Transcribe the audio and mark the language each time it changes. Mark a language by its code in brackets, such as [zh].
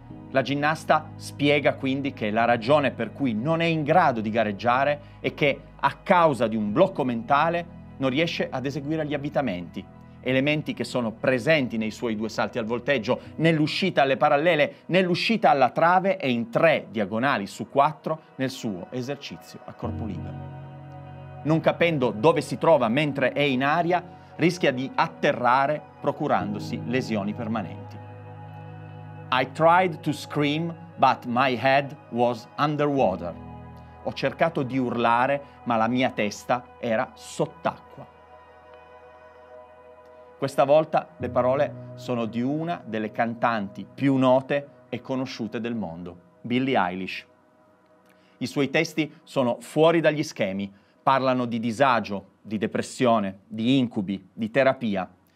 [it] La ginnasta spiega quindi che la ragione per cui non è in grado di gareggiare è che, a causa di un blocco mentale, non riesce ad eseguire gli avvitamenti, elementi che sono presenti nei suoi 2 salti al volteggio, nell'uscita alle parallele, nell'uscita alla trave e in 3 diagonali su 4 nel suo esercizio a corpo libero. Non capendo dove si trova mentre è in aria, rischia di atterrare procurandosi lesioni permanenti. [en] I tried to scream, but my head was underwater. [it] Ho cercato di urlare, ma la mia testa era sott'acqua. Questa volta le parole sono di una delle cantanti più note e conosciute del mondo, Billie Eilish. I suoi testi sono fuori dagli schemi, parlano di disagio, di depressione, di incubi, di terapia.